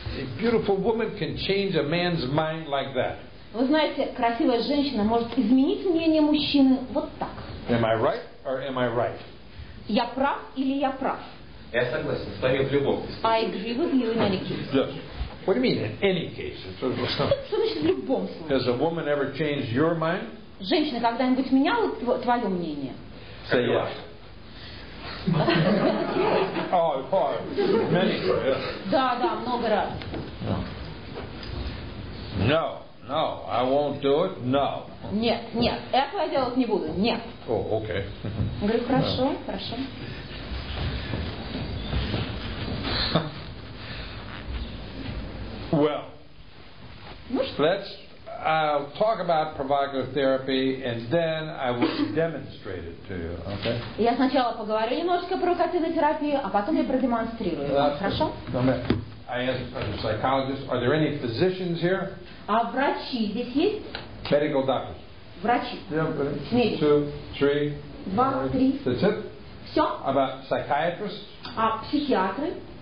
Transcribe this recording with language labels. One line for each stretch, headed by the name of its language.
English: A beautiful woman can change a man's mind like that.
Russian: Вы знаете, красивая женщина может изменить мнение мужчины вот так.
English: Am I right or am I right?
Russian: Я прав или я прав? Я согласен. Стою в любом.
English: I agree with you in any case. Yes. What do you mean in any case?
Russian: Что значит в любом случае?
English: Has a woman ever changed your mind?
Russian: Женщина когда-нибудь меняла твое мнение?
English: Say yes. Oh, many times.
Russian: Да, да, много раз.
English: No, no, I won't do it. No.
Russian: Нет, нет, этого я делать не буду. Нет.
English: Oh, okay.
Russian: Говорю, хорошо, хорошо.
English: Well, let's I'll talk about provocative therapy and then I will demonstrate it to you, okay?
Russian: Я сначала поговорю немножко про провокативную терапию, а потом я продемонстрирую. Хорошо?
English: I asked a psychologist, are there any physicians here?
Russian: А врачи здесь есть?
English: Medical doctors.
Russian: Врачи.
English: Two, three.
Russian: Два, три.
English: That's it?
Russian: Все.
English: About psychiatrists?
Russian: А психиатры?